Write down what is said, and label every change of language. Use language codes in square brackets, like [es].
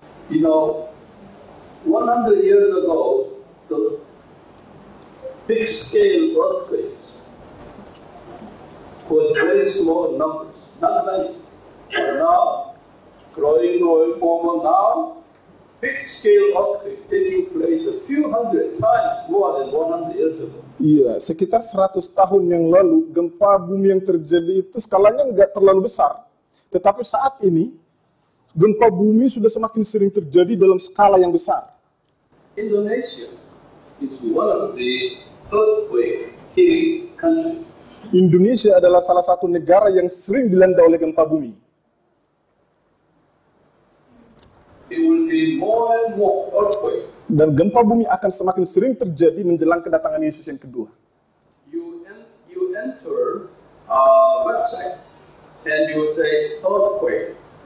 [en] You know, 100 years ago, the big scale earthquakes was very small numbers, not many. But now, growing, now, big scale earthquakes taking place a few hundred times more than 100 years ago. [id] Iya, sekitar 100 tahun yang lalu gempa bumi yang terjadi itu skalanya nggak terlalu besar. Tetapi saat ini gempa bumi sudah semakin sering terjadi dalam skala yang besar. [en] Indonesia is one of the earthquake country. [id] Indonesia adalah salah satu negara yang sering dilanda oleh gempa bumi. [en] It will be more and more earthquake. [id] Dan gempa bumi akan semakin sering terjadi menjelang kedatangan Yesus yang kedua. [en] You enter a website and you say earthquake.